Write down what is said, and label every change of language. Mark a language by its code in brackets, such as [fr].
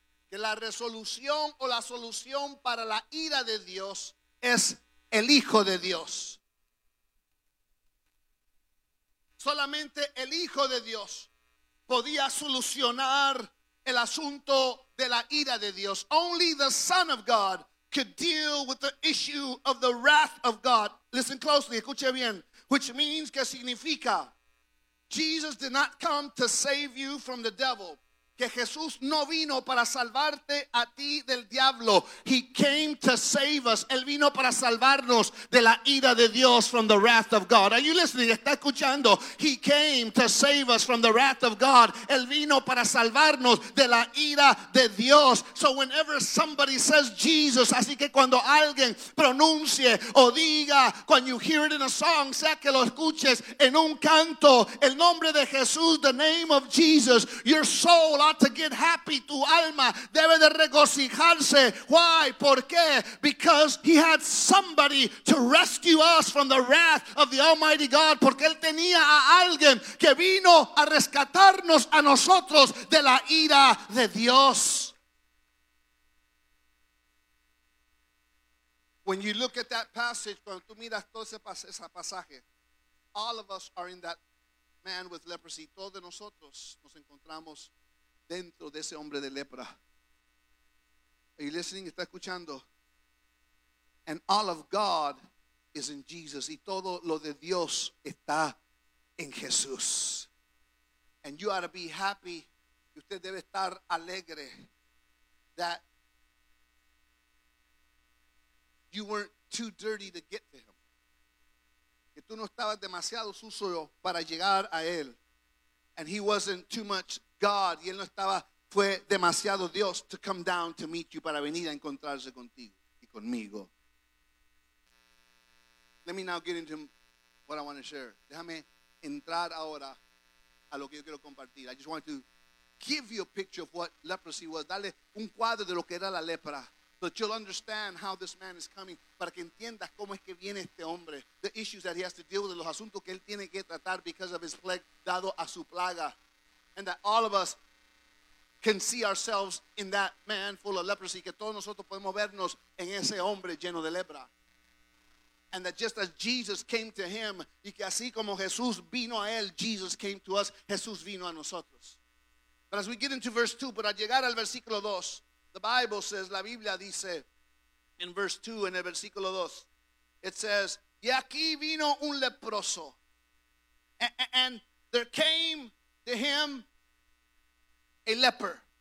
[es] Que la resolución o la solución para la ira de Dios es el Hijo de Dios. Solamente el Hijo de Dios podía solucionar el asunto de la ira de Dios. [en] Only the Son of God could deal with the issue of the wrath of God. Listen closely, [es] escuche bien. [en] Which means, [es] que significa, [en] Jesus did not come to save you from the devil. [es] que Jesús no vino para salvarte a ti del diablo. [en] He came to save us. [es] Él vino para salvarnos de la ira de Dios, [en] from the wrath of God. Are you listening? [es] ¿Está escuchando? [en] He came to save us from the wrath of God. [es] Él vino para salvarnos de la ira de Dios. [en] So whenever somebody says Jesus, [es] así que cuando alguien pronuncie o diga, [en] when you hear it in a song, [es] sea que lo escuches en un canto, el nombre de Jesús, [en] the name of Jesus, your soul ought to get happy. [es] Tu alma debe de regocijarse. [en] Why? [es] ¿Por qué? [en] Because he had somebody to rescue us from the wrath of the Almighty God. [es] Porque él tenía a alguien que vino a rescatarnos a nosotros de la ira de Dios. [en] When you look at that passage, cuando tú miras todo ese pasaje, all of us are in that man with leprosy. [es] Todos nosotros nos encontramos dentro de ese hombre de lepra. [en] Are you listening? [es] ¿Está escuchando? [en] And all of God is in Jesus. [es] Y todo lo de Dios está en Jesús. [en] And you ought to be happy. [es] Y usted debe estar alegre [en] that you weren't too dirty to get to him. [es] Que tú no estabas demasiado sucio para llegar a él. [en] And he wasn't too much God. [es] Y él no estaba, fue demasiado Dios [en] to come down to meet you, [es] para venir a encontrarse contigo y conmigo. [en] Let me now get into what I want to share. [es] Déjame entrar ahora a lo que yo quiero compartir. [en] I just want to give you a picture of what leprosy was. [es] Dale un cuadro de lo que era la lepra. [en] But you'll understand how this man is coming. [es] Para que entiendas cómo es que viene este hombre. [en] The issues that he has to deal with. [es] Los asuntos que él tiene que tratar [en] because of his plague, [es] dado a su plaga. [en] And that all of us can see ourselves in that man full of leprosy. [es] Que todos nosotros podemos vernos en ese hombre lleno de lepra. [en] And that just as Jesus came to him, [es] y que así como Jesús vino a él, [en] Jesus came to us, [es] Jesús vino a nosotros. [en] But as we get into verse 2, [es] pero al llegar al versículo 2, [en] the Bible says, [es] la Biblia dice, [en] in verse 2, [es] en el versículo 2, [en] it says, [es] y aquí vino un leproso, [en] and there came to him a leper.